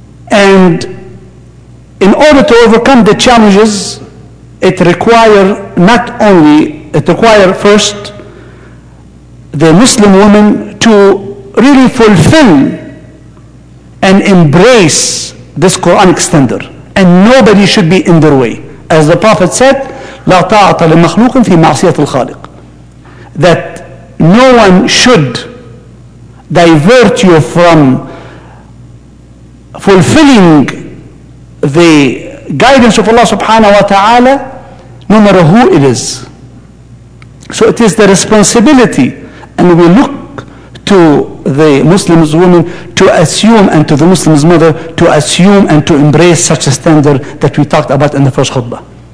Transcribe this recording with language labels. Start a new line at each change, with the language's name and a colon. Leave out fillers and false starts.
English: And in order to overcome the challenges, it requires not only, it requires first the Muslim woman to really fulfill and embrace this Quranic standard. And nobody should be in their way. As the Prophet said,
Arabic: لا طاعة لمخلوق في معصية الخالق.
English: That no one should divert you from fulfilling the guidance of Allah subhanahu wa ta'ala, no matter who it is. So it is the responsibility, and we look to the Muslim woman to assume, and to the Muslim's mother to assume and to embrace such a standard that we talked about in the first khutbah.